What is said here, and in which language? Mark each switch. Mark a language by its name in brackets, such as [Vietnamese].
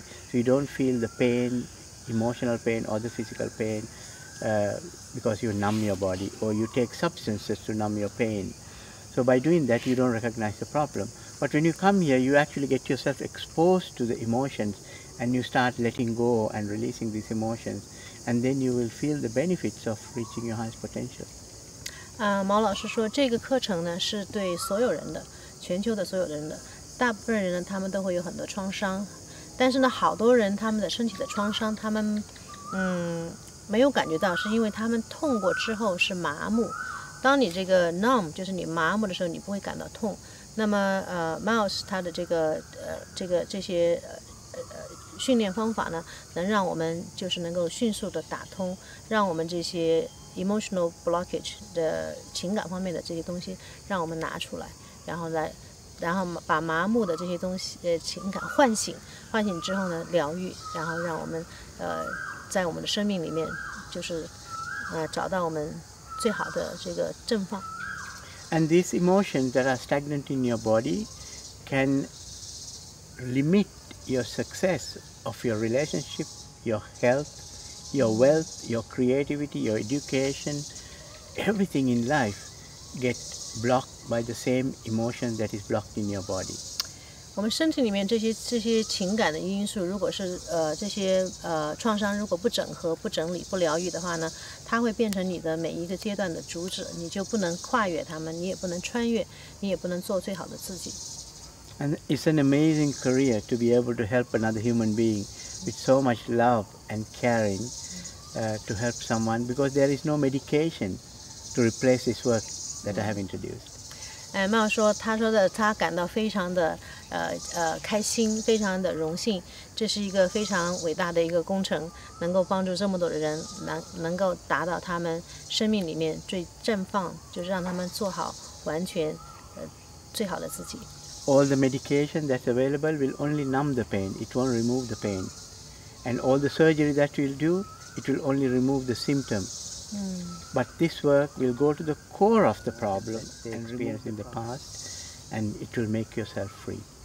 [English] So you don't feel the pain, emotional pain or the physical pain, because you numb your body, or you take substances to numb your pain. So by doing that, you don't recognize the problem. But when you come here, you actually get yourself exposed to the emotions, and you start letting go and releasing these emotions, and then you will feel the benefits of reaching your highest potential. [Chinese] 毛老师说，这个课程呢是对所有人的，全球的所有人的。大部分人呢，他们都会有很多创伤，但是呢，好多人他们的身体的创伤，他们，没有感觉到，是因为他们痛过之后是麻木。当你这个 numb 就是你麻木的时候，你不会感到痛。那么Miles 他的这些训练方法呢，能让我们就是能够迅速的打通，让我们这些 emotional blockage 的情感方面的这些东西，让我们拿出来，然后把麻木的这些东西情感唤醒之后呢，疗愈，然后让我们在我们的生命里面，就是找到我们最好的这个正方。 [English] And these emotions that are stagnant in your body can limit your success of your relationship, your health, your wealth, your creativity, your education, everything in life get blocked by the same emotion that is blocked in your body. [Chinese] 我们身体里面这些情感的因素，如果是这些创伤，如果不整合、不整理、不疗愈的话呢，它会变成你的每一个阶段的阻止，你就不能跨越它们，你也不能穿越，你也不能做最好的自己。 [English] And it's an amazing career to be able to help another human being with so much love and caring to help someone, because there is no medication to replace this work that I have introduced. [Chinese] 哎，Mal说，他说的，他感到非常的开心，非常的荣幸，这是一个非常伟大的一个工程，能够帮助这么多的人，能够达到他们生命里面最绽放，就是让他们做好完全最好的自己。 [English] All the medication that's available will only numb the pain, it won't remove the pain. And all the surgery that we'll do, it will only remove the symptom. But this work will go to the core of the problem experienced in the past, and it will make yourself free.